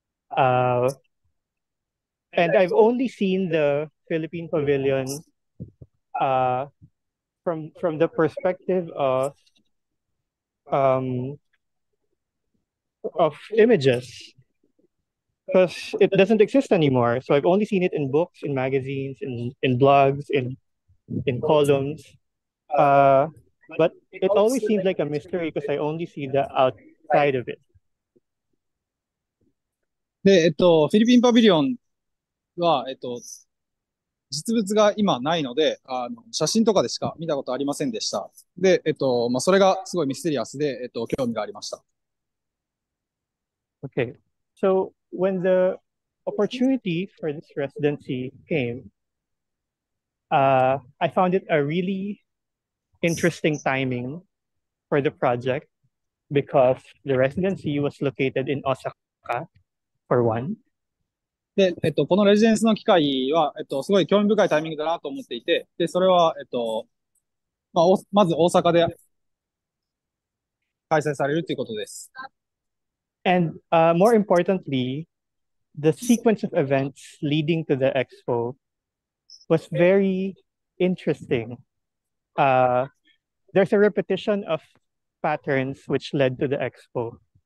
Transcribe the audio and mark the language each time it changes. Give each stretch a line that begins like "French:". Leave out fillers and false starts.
English: And I've only seen the Philippine Pavilion from the perspective of images, because it doesn't exist anymore. So I've only seen it in books, in magazines, in blogs, in columns. But it always seems like a mystery because I only see the outside of it.
Japanese: で、フィリピンパビリオンは、実物が今ないので、写真とかでしか見たことありませんでした。で、まあ、それがすごいミステリアスで、興味がありました。
English: Okay. So, when the opportunity for this residency came, I found it a really interesting timing for the project because the residency was located in Osaka. For one.
Japanese: で、このレジデンスの機会は、すごい興味深いタイミングだなと思っていて、で、それは、まあ、まず大阪で開催されるということです。
English: And, more importantly, the sequence of events leading to the expo was very interesting. There's a repetition of patterns which led to the expo.